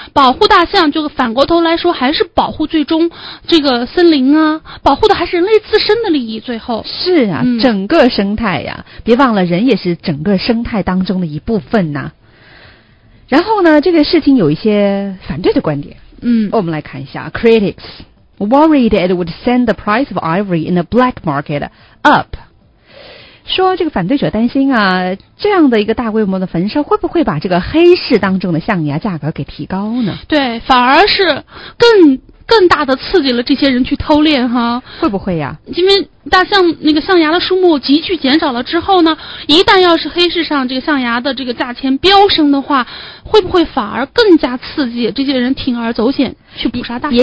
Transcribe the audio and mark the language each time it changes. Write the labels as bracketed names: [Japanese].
[Chinese] 保护大象，就反过头来说，还是保护最终这个森林啊，保护的还是人类自身的利益。最后是啊、整个生态呀、别忘了，人也是整个生态当中的一部分呐。然后呢，这个事情有一些反对的观点。我们来看一下 [English] critics。 Worried it would send the price of ivory in the black market up. [Chinese] 说这个反对者担心啊，这样的一个大规模的焚烧会不会把这个黑市当中的象牙价格给提高呢？对，反而是更大的刺激了这些人去偷猎哈。会不会呀？因为大象那个象牙的数目急剧减少了之后呢，一旦要是黑市上这个象牙的这个价钱飙升的话，会不会反而更加刺激这些人铤而走险去捕杀大象呢？